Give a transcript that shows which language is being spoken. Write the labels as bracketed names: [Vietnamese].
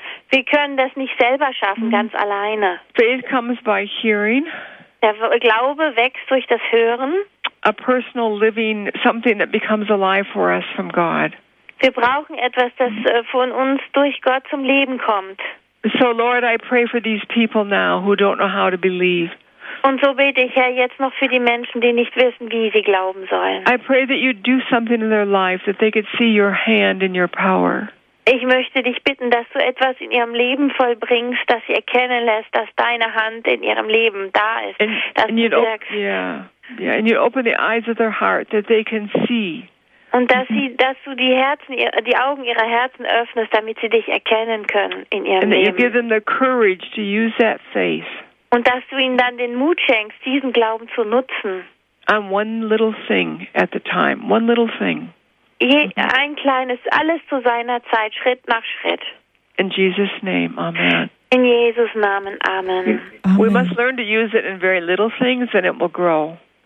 [German] Wir können das nicht selber schaffen, ganz alleine. [English] Faith comes by hearing. [German] Der Glaube wächst durch das Hören. [English] A personal living, something that becomes alive for us from God. [German] Wir brauchen etwas, das von uns durch Gott zum Leben kommt. [English] So, Lord, I pray for these people now who don't know how to believe. [German] Und so bete ich, Herr, jetzt noch für die Menschen, die nicht wissen, wie sie glauben sollen. [English] I pray that you do something in their life, that they could see your hand and your power. [German] Ich möchte dich bitten, dass du etwas in ihrem Leben vollbringst, dass sie erkennen lässt, dass deine Hand in ihrem Leben da ist. [English] And you open the eyes of their heart, that they can see. [German] Und dass du die Augen ihrer Herzen öffnest, damit sie dich erkennen können in ihrem [English] and [German] Leben. [English] And you give them the courage to use that faith. [German] Und dass du ihnen dann den Mut schenkst, diesen Glauben zu nutzen. [English] I'm one little thing at the time. One little thing. [German] Ein kleines, alles zu seiner Zeit, Schritt nach Schritt. [English] In Jesus' name, amen. [German] In Jesus' Namen, amen. [English] We must learn to use it in very little things and it will grow.